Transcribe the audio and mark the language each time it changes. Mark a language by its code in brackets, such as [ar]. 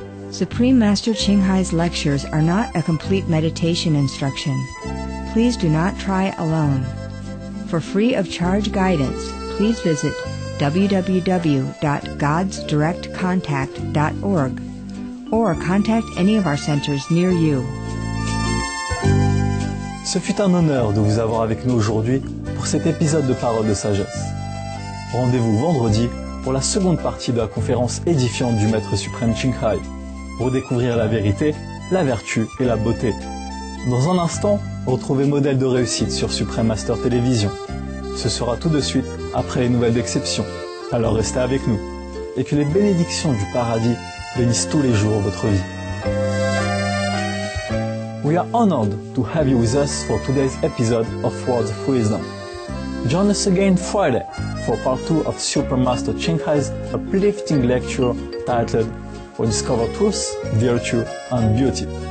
[en] Supreme Master Qinghai's lectures are not a complete meditation instruction. Please do not try alone. For free of charge guidance, please visit www.godsdirectcontact.org or contact any of our centers near you. [fr] Ce fut un honneur de vous avoir avec nous aujourd'hui pour cet épisode de Paroles de Sagesse. Rendez-vous vendredi pour la seconde partie de la conférence édifiante du Maître Suprême Qinghai. Pour découvrir la vérité la vertu et la beauté. Dans un instant, retrouvez Modèle de réussite sur Supreme Master Télévision. Ce sera tout de suite après les nouvelles d'exception. Alors restez avec nous et que les bénédictions du paradis bénissent tous les jours votre vie. [en] We are honored to have you with us for today's episode of Words of Wisdom. Join us again Friday for part 2 of Supermaster Chinghai's uplifting lecture titled Rediscover Truth, Virtue and Beauty.